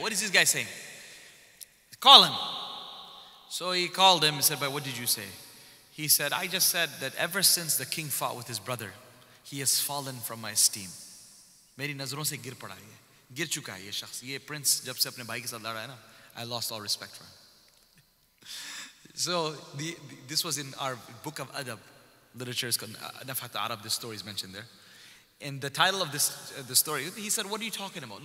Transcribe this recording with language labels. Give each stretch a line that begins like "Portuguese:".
English: What is this guy saying? Call him." So he called him and said, "But what did you say?" He said, "I just said that ever since the king fought with his brother, he has fallen from my esteem.
Urdu: میری نظروں سے گر پڑا ہے۔ گر چکا ہے یہ شخص۔ یہ prince جب سے اپنے بھائی کے ساتھ لڑا ہے نا،
English: I lost all respect for him." So this was in our book of adab literature, is called Nafhat al-Arab. This story is mentioned there. And the title of this the story, he said, "What are you talking about?